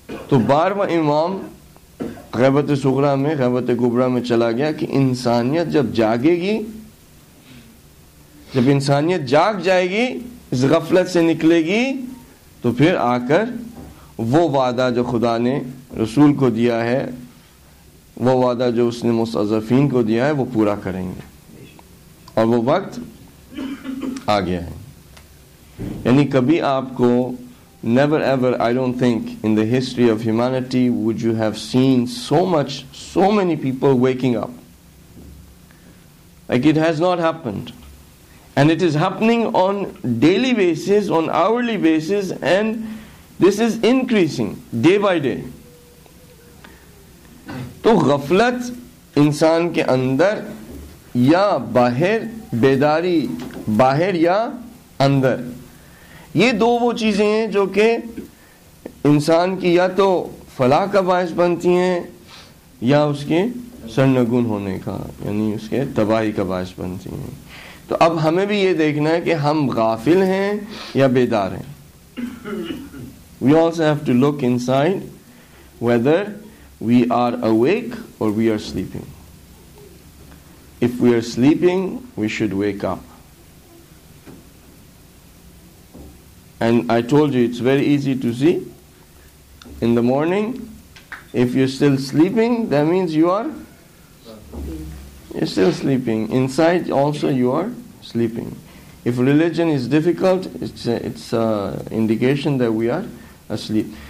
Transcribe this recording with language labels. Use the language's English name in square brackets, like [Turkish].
[Hindi] तो बारवा इमाम गैबत सुगरा में गैबत कुबरा में चला गया कि इंसानियत जब जागेगी जब इंसानियत जाग जाएगी इस गफलत से निकलेगी तो फिर आकर वो वादा जो खुदा ने रसूल को दिया है वो वादा जो उसने मुस्तज़फीन को दिया है वो पूरा करेंगे. और वो वक्त आ गया है. यानी कभी आपको [English] never ever I don't think in the history of humanity would you have seen so many people waking up like it has not happened and it is happening on daily basis on hourly basis and this is increasing day by day. [Hindi] To ghaflat insaan ke andar ya bahir bedari bahir ya andar ये दो वो चीज़ें हैं जो कि इंसान की या तो फलाह का बायस बनती हैं या उसके सरनगुन होने का यानी उसके तबाही का बायस बनती हैं. तो अब हमें भी ये देखना है कि हम गाफिल हैं या बेदार हैं. [English] We also have to look inside whether we are awake और we are sleeping. If we are sleeping we should wake up. And I told you, it's very easy to see. In the morning, if you're still sleeping, that means you are? You're still sleeping. Inside also you are sleeping. If religion is difficult, it's an indication that we are asleep.